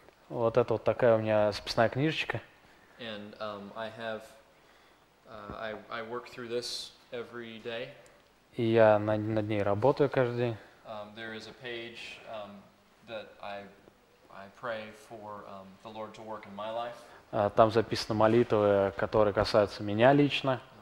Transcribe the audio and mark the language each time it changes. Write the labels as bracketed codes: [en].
[ru] Вот это вот такая у меня записная книжечка. [en] And, I work through this every day. [ru] И я над ней работаю каждый день. [en] There is a page that I pray for the Lord to work in my life. [ru] Там записаны молитвы, которые касаются меня лично.